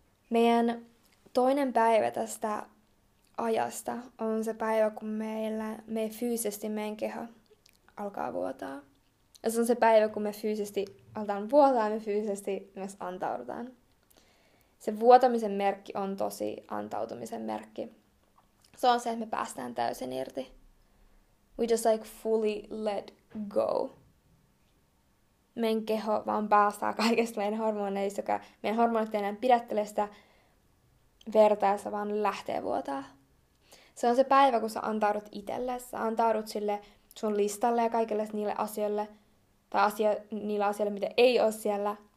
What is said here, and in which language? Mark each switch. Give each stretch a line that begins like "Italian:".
Finnish: Meidän toinen päivä tästä ajasta on se päivä, kun meidän keho alkaa vuotaa. Ja se on se päivä, kun me fyysisesti aletaan vuotaa ja me fyysisesti myös antaudutaan. Se vuotamisen merkki on tosi antautumisen merkki. Se on se, että me päästään täysin irti.
English: We just like fully let go.
Finnish: Meidän keho vaan päästää kaikesta meidän hormoneista, joka meidän hormonit ei enää pidättele sitä verta ja se vaan lähtee vuotaa. Se on se päivä, kun sä antaudut itsellesi. Sä antaudut sille sun listalle ja kaikille niille asioille, tai niille asioille, mitä ei ole siellä.